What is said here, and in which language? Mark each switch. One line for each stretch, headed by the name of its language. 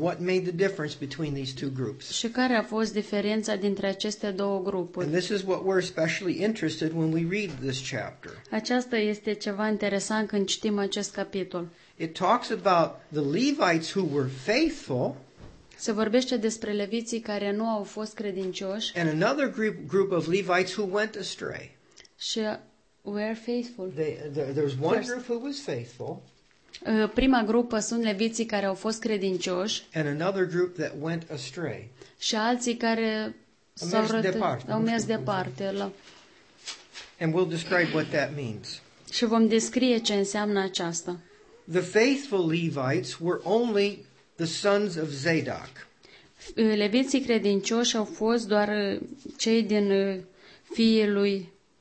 English: What made the difference between these two groups?
Romanian: Și care a fost diferența dintre aceste două grupuri?
English: And this is what we're especially interested when we read this chapter.
Romanian: Aceasta este ceva interesant când citim acest capitol.
English: It talks about the Levites who were faithful.
Romanian: Se vorbește despre leviții care nu au fost credincioși.
English: And another group of Levites who went astray. Și were faithful. There's one group who was faithful.
Romanian: Prima grupă sunt leviții care au fost credincioși.
English: And another group that went astray.
Romanian: Și alții care au mers departe.
English: And we'll describe what that means.
Romanian: Și vom descrie ce înseamnă aceasta.
English: The faithful Levites were only the sons of Zadok.
Romanian: Leviții credincioși au fost doar cei din fiii lui